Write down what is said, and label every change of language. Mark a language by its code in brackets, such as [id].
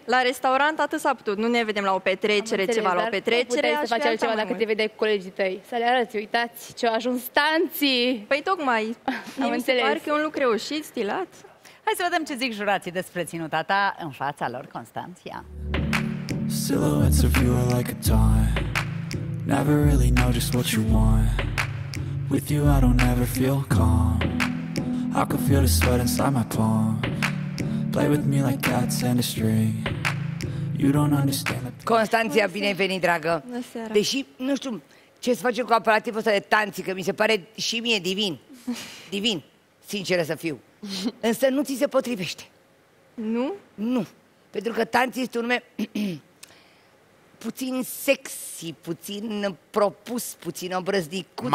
[ro] La restaurant atât s-a putut. Nu ne vedem la o petrecere, înțeles, ceva la o petrecere. Nu puteai să faci altceva dacă te vedeai cu colegii tăi. Să le arăți, uitați ce au ajuns tanții. Păi tocmai. Am înțeles. Parcă e un lucru reușit, stilat. Hai să vedem ce zic jurații despre ținuta ta în fața lor, Constanția. [en] Silhouettes of you are like a taunt. Never really know just what you want. With you I don't ever feel calm. I can feel the sweat inside my palms. Play with me like cats and a string. You don't understand the... [ro] Constanția, bine ai venit, dragă. Deși, nu știu, ce să facem cu aparativul ăsta de tanții, că mi se pare și mie divin. Divin, sinceră să fiu. Însă nu ți se potrivește. Nu? Nu. Pentru că tanții este un nume puțin sexy, puțin propus, puțin obrăznicut.